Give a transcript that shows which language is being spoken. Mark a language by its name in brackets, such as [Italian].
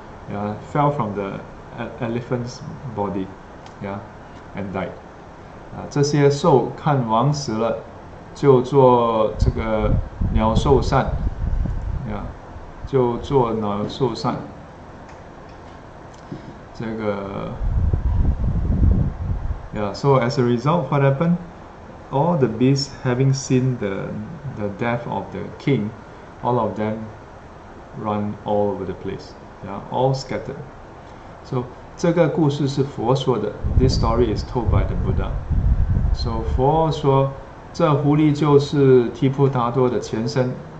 [English] Yeah, fell from the elephant's body, and died. [Chinese] 这些兽看王死了，就做这个鸟兽散. Yeah, 就做鸟兽散. [English] 这个, so as a result, what happened? All the beasts, having seen the death of the king, all of them run all over the place. Yeah, all scattered. [Chinese] So, 这个故事是佛说的. [English] This story is told by the Buddha. [Chinese] So, 佛说, 这狐狸就是提婆达多的前身.